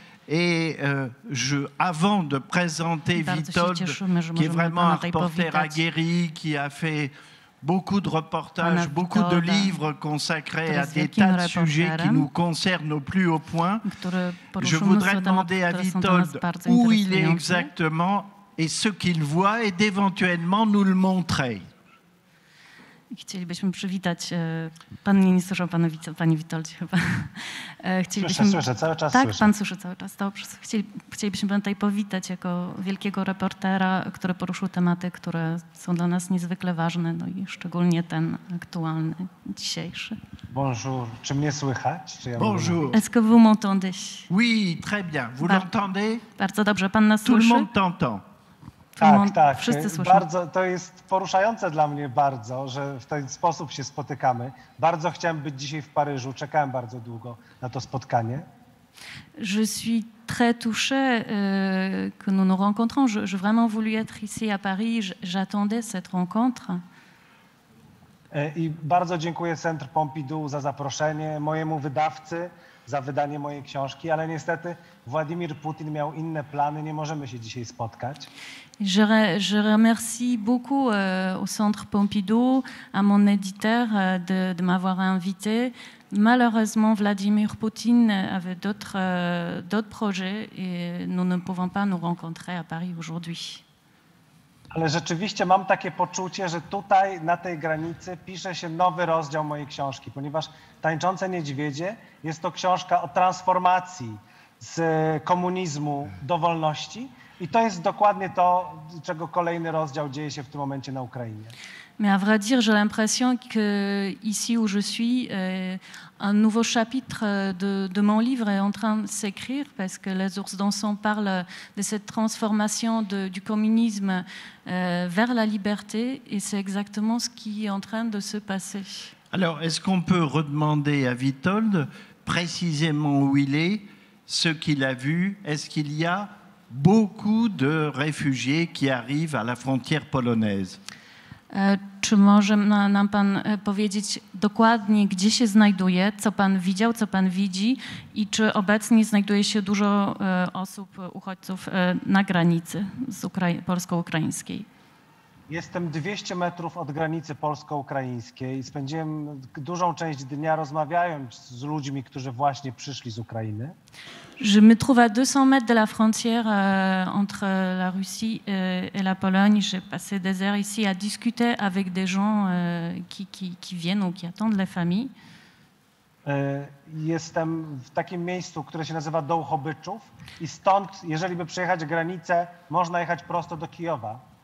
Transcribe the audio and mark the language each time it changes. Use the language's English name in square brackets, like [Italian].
[French] Et avant de présenter Witold, qui est vraiment un reporter aguerri, qui a fait beaucoup de reportages, beaucoup de livres consacrés à des tas de sujets qui nous concernent au plus haut point. Je voudrais demander à Witold où il est exactement et ce qu'il voit et d'éventuellement nous le montrer. [Polish] Chcielibyśmy przywitać. Pan mnie nie słyszał, panie Witoldzie, chyba. Słyszę, cały czas. Tak, słyszę. Pan słyszy cały czas. Dobrze. Chcielibyśmy pana tutaj powitać jako wielkiego reportera, który poruszył tematy, które są dla nas niezwykle ważne, no i szczególnie ten aktualny, dzisiejszy. [French] Bonjour. [Polish] Czy mnie słychać? Czy ja [French] bonjour. [Polish] Mówię? [French] Est-ce que vous m'entendez? Oui, très bien. Vous l'entendez? [Polish] Bardzo dobrze. Pan nas [French] tout [Polish] słyszy? [French] Tout le monde t'entend. [Polish] Tak. Bardzo, to jest poruszające dla mnie bardzo, że w ten sposób się spotykamy. Bardzo chciałem być dzisiaj w Paryżu. Czekałem bardzo długo na to spotkanie. [French] Je suis très touchée que nous nous rencontrons. Je vraiment voulu être ici à Paris. J'attendais cette rencontre. [Polish] I bardzo dziękuję Centre Pompidou za zaproszenie, mojemu wydawcy za wydanie mojej książki, ale niestety Władimir Putin miał inne plany, nie możemy się dzisiaj spotkać. [French] Je remercie beaucoup au Centre Pompidou, à mon éditeur de m'avoir invité. Malheureusement, Vladimir Poutine avait d'autres projets et nous ne pouvons pas nous rencontrer à Paris aujourd'hui. [Polish] Ale rzeczywiście mam takie poczucie, że tutaj, na tej granicy, pisze się nowy rozdział mojej książki, ponieważ Tańczące Niedźwiedzie jest to książka o transformacji z komunizmu do wolności. I to jest dokładnie to, czego kolejny rozdział dzieje się w tym momencie na Ukrainie. [French] Mais à vrai dire, j'ai l'impression que ici où je suis, un nouveau chapitre de mon livre est en train de s'écrire, parce que Les ours dansants parlent de cette transformation du communisme vers la liberté, et c'est exactement ce qui est en train de se passer. Alors, est-ce qu'on peut redemander à Witold précisément où il est, ce qu'il a vu? Est-ce qu'il y a beaucoup de réfugiés qui arrivent à la frontière polonaise? [Polish] Czy może nam pan powiedzieć dokładnie, gdzie się znajduje, co pan widział, co pan widzi i czy obecnie znajduje się dużo osób, uchodźców na granicy z polsko-ukraińskiej? Jestem 200 metrów od granicy polsko-ukraińskiej i spędziłem dużą część dnia rozmawiając z ludźmi, którzy właśnie przyszli z Ukrainy. [French] Je me trouve à 200 mètres de la frontière entre la Russie et la Pologne. J'ai passé des heures ici à discuter avec des gens qui viennent ou qui attendent les familles. [Polish] Jestem w takim miejscu, które się nazywa Dołhobyczów i stąd, jeżeli by przejechać granicę, można jechać prosto do Kijowa.